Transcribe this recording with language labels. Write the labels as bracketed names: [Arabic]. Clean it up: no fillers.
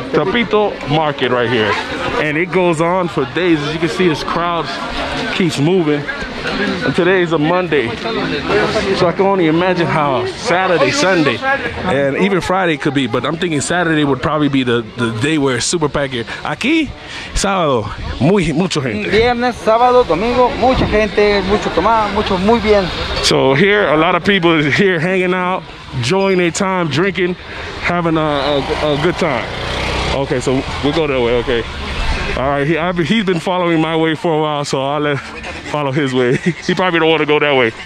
[English] Tepito market right here. And it goes on for days. As you can see, this crowd keeps moving. And today is a Monday. So I can only imagine how Saturday, Sunday, and even Friday could be. But I'm thinking Saturday would probably be the day where it's super packed here. [Spanish] Aquí, sábado, mucho gente. Viernes, sábado, domingo, mucha gente, mucho tomar, mucho muy bien. [English] So here, a lot of people is here hanging out, enjoying their time, drinking, having a good time. Okay, so we'll go that way, okay. All right, he's been following my way for a while, so I'll let follow his way. He probably don't want to go that way.